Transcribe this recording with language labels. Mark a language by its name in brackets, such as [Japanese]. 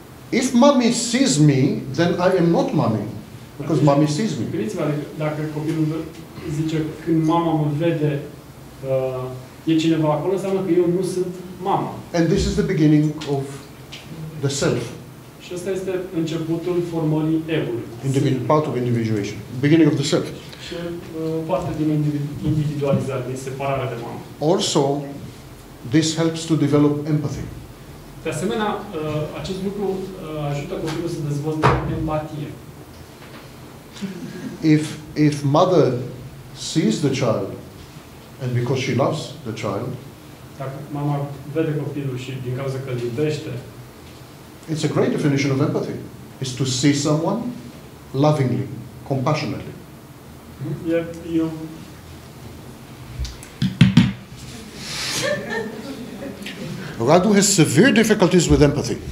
[English] If mommy sees me, then I am not mommy, because mommy sees me. [Romanian] Dacă copilul zice când mama mă vede, e cineva acolo, înseamnă că eu nu sunt mama. [English] And this is the beginning of the self. [Romanian] Și ăsta este începutul formării ego-ului. [English] Part of individuation. Beginning of the self. [Romanian] Și parte din individualizare, din separarea de mamă. [English] Also, this helps to develop empathy. [Romanian] De asemenea, acest lucru ajută copilul să dezvolte empatie. [English] If mother sees the child, and because she loves the child, [Romanian] dacă mama vede copilul și din cauza că îl iubește, [English] it's a great definition of empathy. It's to see someone lovingly, compassionately. Yep, you. Radu has severe difficulties with empathy.